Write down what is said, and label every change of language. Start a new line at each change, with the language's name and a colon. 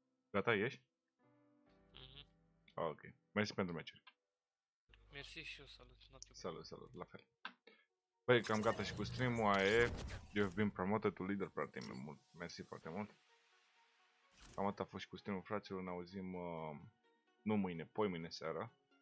Romanian: Gata, ieși? Ok, mersi pentru meciuri. Mersi și eu, salut. Salut, la fel. Păi, cam gata și cu stream-ul, aia e.
English: You've been promoted to leader,
Romanian: frate, mult. Mersi foarte mult. Cam atât a fost și cu stream-ul, fraților, ne auzim, nu mâine, poi mâine seara.